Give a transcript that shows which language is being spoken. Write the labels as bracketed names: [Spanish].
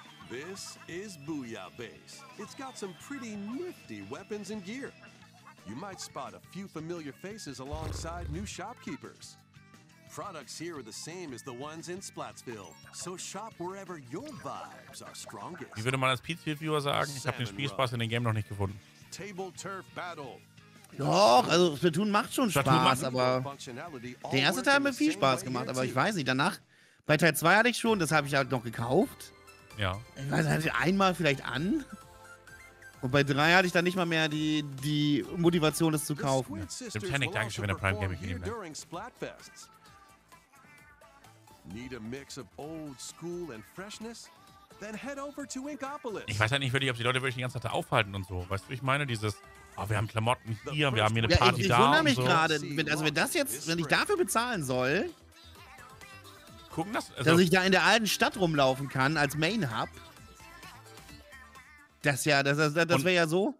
[English] This is Booyah Base. It's got some pretty nifty weapons and gear. You might spot a few familiar faces alongside new shopkeepers. Products here are the same as the ones in Splatsville, so shop wherever your vibes are strongest. [German] Wie würde man als Pizza-Viewer sagen? Ich habe den Spielspaß in den Game noch nicht gefunden. [English] Table Turf Battle. [German] Doch, also Splatoon macht schon Spaß, aber der erste Teil hat mir viel Spaß gemacht, aber ich weiß nicht, danach, bei Teil 2 hatte ich schon, das habe ich halt noch gekauft. Ja. Ich weiß, hatte ich einmal vielleicht an. Und bei 3 hatte ich dann nicht mal mehr die Motivation, das zu kaufen. Dem Panic, danke schön, wenn der Prime Gaming gegeben hat. [English] Need a mix of old school and freshness? Then head over to Inkopolis. [German] Ich weiß halt nicht wirklich, ob die Leute wirklich die ganze Zeit da aufhalten und so. Weißt du, ich meine dieses, oh, wir haben Klamotten hier, wir haben hier eine Party da und so. Ich wundere mich gerade, also wenn das jetzt, wenn ich dafür bezahlen soll, gucken das, also, dass ich da in der alten Stadt rumlaufen kann als Main Hub, das wäre ja so.